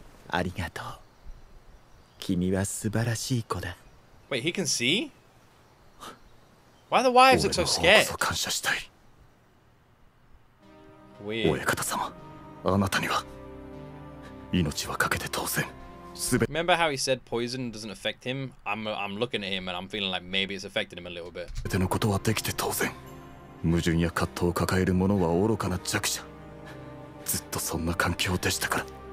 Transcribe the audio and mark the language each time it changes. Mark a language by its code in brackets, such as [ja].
[ja] ありがとう。君は素晴らしい子だ。 [en] Wait, he can see? Why the wives look so scared? [ja] 俺の方こそ感謝したい。親方様、あなたには命はかけて当然。 [en] Remember how he said poison doesn't affect him? I'm looking at him and I'm feeling like maybe it's affected him a little bit. [ja] 全てのことはできて当然。矛盾や葛藤を抱える者は愚かな弱者。ずっとそんな環境でしたから。